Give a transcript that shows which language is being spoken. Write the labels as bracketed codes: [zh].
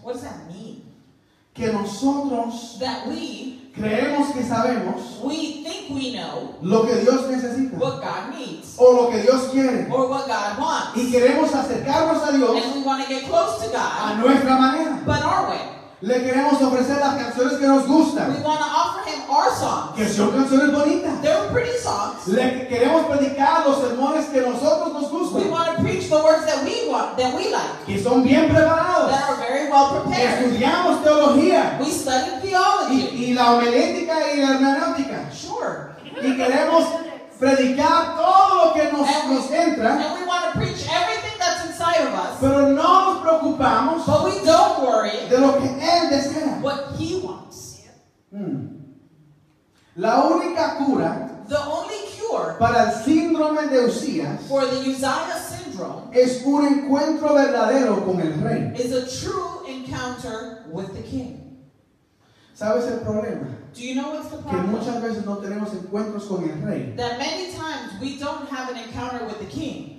[en] What does that mean? [es] Que nosotros, [en] that we, [es] creemos que sabemos, [en] we think we know, [es] lo que Dios necesita, [en] what God needs, [es] o lo que Dios quiere, [en] or what God wants, [es] y queremos acercarnos a Dios, [en] and we want to get close to God, [es] a nuestra manera, [en] but our way. [es] Le queremos ofrecer las canciones que nos gustan. [en] We want to offer him our songs. [es] Que son canciones bonitas. [en] They're pretty songs. [es] Le queremos predicar los sermones que nosotros nos gustan. [en] We want to preach the words that we want, that we like. [es] Que son bien preparados. [en] That are very well prepared. [es] Que estudiamos teología. [en] We study theology. [es] Y la homilética y la hermenéutica. [en] Sure. [es] Y queremos predicar todo lo que nos entra. [en] And we want to preach everything that's inside of us. [es] Pero no nos preocupamos. [en] But we don't worry. [es] De lo que Él desea. [en] What He wants. [es] La única cura. [en] The only cure. [es] Para el síndrome de Uzías. [en] For the Uzziah syndrome. [es] Es un encuentro verdadero con el Rey. [en] Is a true encounter with the King. [es] ¿Sabes el problema? [en] Do you know what's the problem? [es] Que muchas veces no tenemos encuentros con el Rey. [en] That many times we don't have an encounter with the King.